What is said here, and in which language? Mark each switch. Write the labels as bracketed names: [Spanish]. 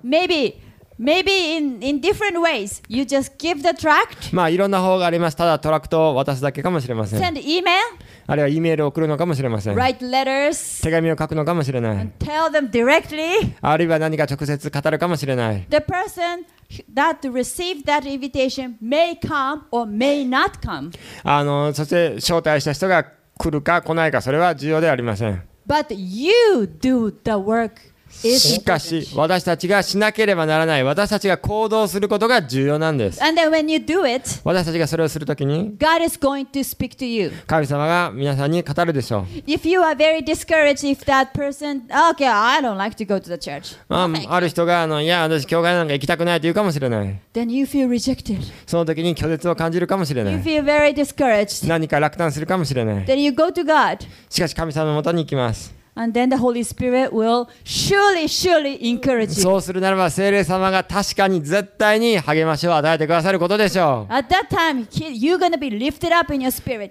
[English] Maybe in different ways. You just give the tract. [Japanese] まあいろんな方があります。ただトラクトを渡すだけかもしれません。 [English] Send email. [Japanese] あるいはEメールを送るのかもしれません。 [English] Write letters, [Japanese] 手紙を書くのかもしれない。 [English] And tell them directly, [Japanese] あるいは何か直接語るかもしれない。 [English] The person that received that invitation may come or may not come. [Japanese] そして招待した人が来るか来ないか、それは重要ではありません。 [English] But you do the work. [Japanese] しかし私たちがしなければならない、私たちが行動することが重要なんです。 [English] And then when you do it, [Japanese] 私たちがそれをするときに、 [English] God is going to speak to you. [Japanese] 神様が皆さんに語るでしょう。 [English] If you are very discouraged, if that person, okay, I don't like to go to the church. [Japanese] まあ、ある人がいや私教会なんか行きたくないと言うかもしれない。 [English] Then you feel rejected. [Japanese] その時に拒絶を感じるかもしれない。 [English] You feel very discouraged. [Japanese] 何か落胆するかもしれない。 [English] Then you go to God. [Japanese] しかし神様の元に行きます。 [English] And then the Holy Spirit will surely encourage you. [Japanese] そうするならば聖霊様が確かに絶対に励ましを与えてくださることでしょう。 [English] At that time, you're going to be lifted up in your spirit.